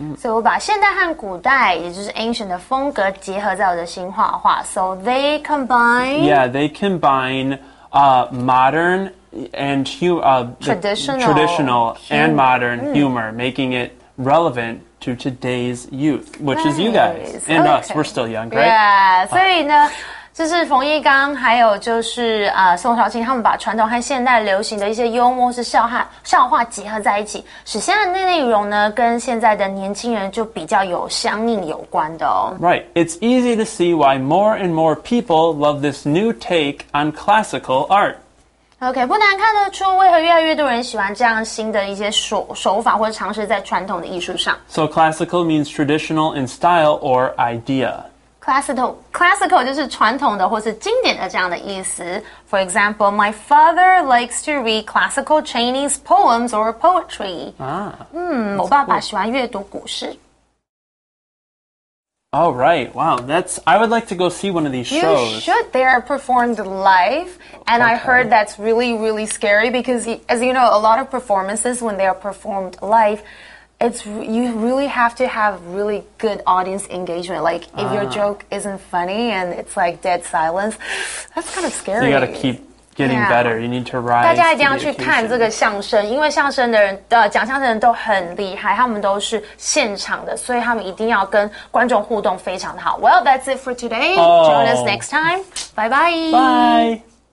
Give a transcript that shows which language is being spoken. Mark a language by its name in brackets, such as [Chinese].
[Chinese] So, 我把现代和古代，也就是 ancient 的风格结合在我的新画画。 [English] So, they combine... Yeah, they combine modern and traditional and modern humor, making it relevant to today's youth, which is you guys and us. We're still young, right? [Chinese] Yeah, 所以呢... 就是冯一刚还有就是宋少卿他们把传统和现代流行的一些幽默是笑话结合在一起，使现在的内容呢跟现在的年轻人就比较有相应有关的哦。 [English] Right, it's easy to see why more and more people love this new take on classical art. [Chinese] OK, 不难看得出为何越来越多人喜欢这样新的一些 手法或者尝试在传统的艺术上。 [English] So classical means traditional in style or idea. [Chinese] Classical 就是传统的或是经典的这样的意思。 [English] For example, my father likes to read classical Chinese poems or poetry. [Chinese] 我爸爸喜欢阅读古诗。 [English] All right, wow, I would like to go see one of these shows. You should, they are performed live, and I heard that's really, really scary because, as you know, a lot of performances, when they are performed live, You really have to have really good audience engagement. Like, if your joke isn't funny and it's like dead silence, that's kind of scary. You gotta keep getting better. You need to rise. [Chinese] 大家一定要去看这个相声，因为相声的人，讲相声的人都很厉害，他们都是现场的，所以他们一定要跟观众互动非常好。 [English] Well, that's it for today. Join us next time. Bye bye. Bye.